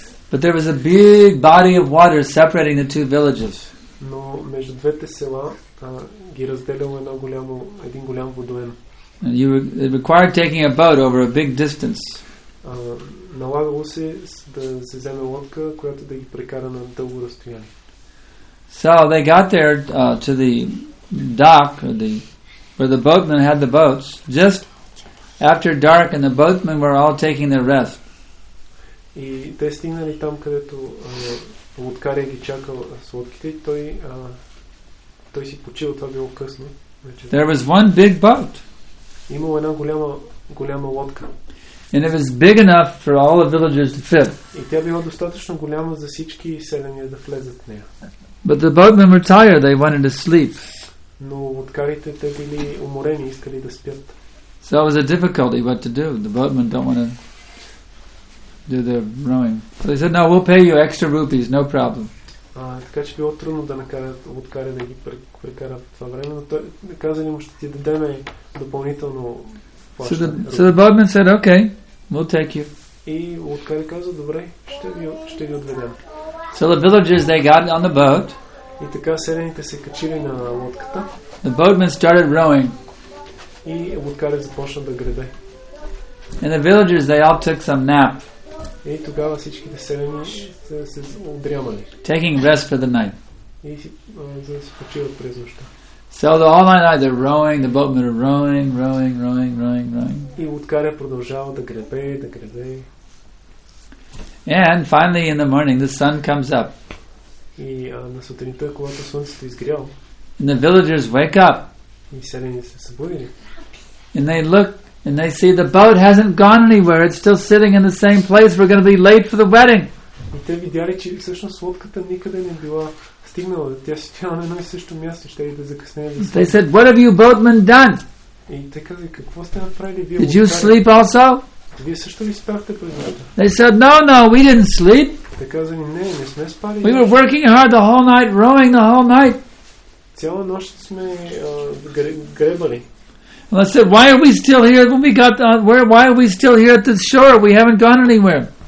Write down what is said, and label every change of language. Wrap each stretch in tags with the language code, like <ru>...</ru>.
<en>But there was a big body of water separating the two villages.</en> <bg>Но между двете села ги разделяло едно голямо, един голям водоем.</bg> <en>And you were, it required taking a boat over a big distance.</en> <bg>Налагало се да се вземе лодка, която да ги прекара на дълго разстояние.</bg> <en>So they got there to the dock, or the where the boatmen had the boats, just after dark, and the boatmen were all taking their rest.</en> <bg>И те стигнали там, където лодкаря ги чакал с лодките, и той, той си почил, това било късно.</bg> <en>There was one big boat.</en> <bg>Имало една голяма, голяма лодка.</bg> <en>And it was big enough for all the villagers to fit.</en> <bg>И тя била достатъчно голяма за всички селяния да влезат в нея.</bg> <en>But the boatmen were tired, they wanted to sleep.</en> <bg>Но лодкарите те били уморени, искали да спят.</bg> <en>So it was a difficulty what to do. The boatmen don't want to do their rowing. So they said, no, we'll pay you extra rupees, no problem.</en> <bg>Така че било трудно да накарат лодкаря да ги прекара това време, но той казали му, ще ти дадем допълнително плащане.</bg> <en>So the boatman said, okay, we'll take you.</en> <bg>И лодкаря каза, добре, ще ви отведем.</bg> <en>So the villagers, they got on the boat.</en> <bg>И така селените се качили на лодката.</bg> <en>The boatman started rowing.</en> <bg>И лодкаря започна да гребе.</bg> <en>And the villagers, they all took some nap.</en> <bg>И тогава всичките селени се удрямали.</bg> <en>Taking rest for the night.</en> <bg>И за да се почиват през нощта.</bg> <en>So the all night they're rowing, the boatmen are rowing, rowing, rowing, rowing, rowing.</en> <bg>И лодкаря продължава да гребе, да гребе.</bg> <en>And finally in the morning the sun comes up.</en> <bg>И на сутринта, когато слънцето изгряло.</bg> <en>And the villagers wake up.</en> <bg>И селени се събудили.</bg> <en>And they look. And they see the boat hasn't gone anywhere. It's still sitting in the same place. We're going to be late for the wedding.</en> <bg>И те видяли, че всъщност лодката никъде не била стигнала. Тя стояла на едно и също място. Ще и да закъснее.</bg> <en>They said, what have you boatmen done?</en> <bg>И те казали, какво сте направили вие?</bg> <en>Did you sleep also?</en> <bg>Вие също ли спяхте през нощта?</bg> <en>They said, no, no, we didn't sleep.</en> <bg>Те казали, не, не сме спали.</bg> <en>We were working hard the whole night, rowing the whole night.</en> <bg>Цяла нощ сме гребали.</bg> <en>And I said, why are we still here when we got to, where? Why are we still here at this shore? We haven't gone anywhere.</en>